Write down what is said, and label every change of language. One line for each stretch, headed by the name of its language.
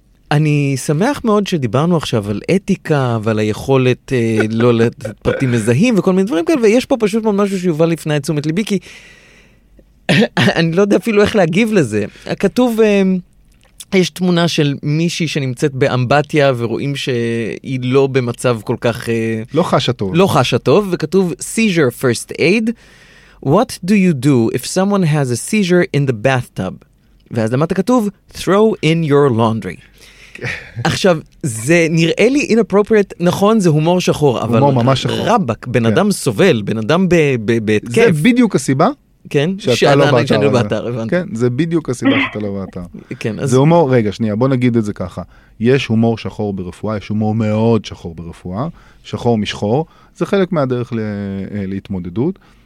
Hebrew: אני שמח מאוד שדיברנו עכשיו על אתיקה ועל היכולת לא לתת פרטים מזהים וכל מיני דברים כאלה, ויש פה פשוט משהו שיובל לפני תשומת ליבי, כי אני לא יודע אפילו איך להגיב לזה. כתוב, יש תמונה של מישהי שנמצאת באמבטיה ורואים שהיא לא במצב כל כך... לא חשה טוב. לא חשה טוב, וכתוב
English: seizure first aid. What do you do if someone has a seizure in the bathtub?
Hebrew: ואז למטה כתוב,
English: throw in your laundry.
Hebrew: עכשיו, זה נראה לי inappropriate, נכון, זה הומור שחור, אבל הומור ממש שחור. רבק, בן אדם סובל, בן אדם בהתקף. זה בדיוק הסיבה כן, שאתה לא באתר. שאני לא באתר, הבנתי. כן, זה בדיוק הסיבה שאתה לא באתר. כן, אז... זה הומור, רגע, שנייה, בוא נגיד את זה ככה. יש הומור שחור ברפואה, יש הומור מאוד שחור ברפואה, שחור משחור, זה חלק מהדרך להתמודדות.